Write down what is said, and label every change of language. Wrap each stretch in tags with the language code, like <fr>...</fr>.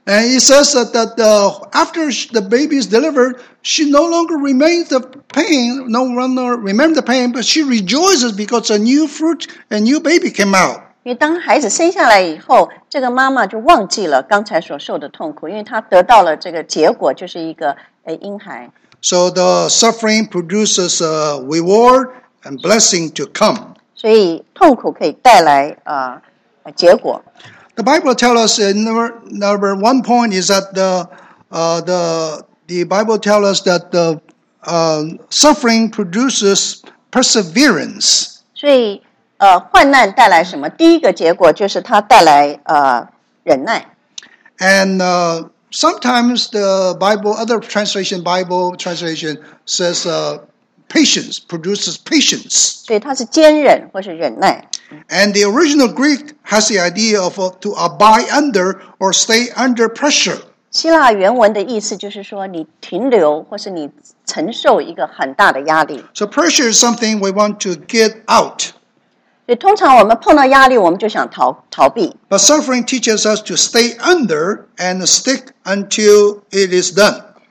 <en>And it says that after the baby is delivered, she no longer remains the pain, no longer remember the pain, but she rejoices because a new fruit, a new baby came out.</en> <zh>因为当孩子生下来以后，这个妈妈就忘记了刚才所受的痛苦，因为她得到了这个结果，就是一个婴孩。</zh> <en>So the suffering produces a reward and blessing to come.</en> <zh>所以痛苦可以带来结果。</zh> <en>The Bible tells us number one point is that the Bible tells us that the suffering produces perseverance.</en> <zh>所以患难带来什么？第一个结果就是它带来忍耐。</zh> <en>And sometimes the Bible, other translation, Bible translation says patience, produces patience.</en> <zh>所以它是坚忍或是忍耐。</zh> <en>And the original Greek has the idea of to abide under or stay under pressure.</en> <zh>希腊原文的意思就是说你停留或是你承受一个很大的压力。</zh> <en>So pressure is something we want to get out.</en> <zh>通常我们碰到压力我们就想逃避。</zh> <en>But suffering teaches us to stay under and stick until it is done.</en>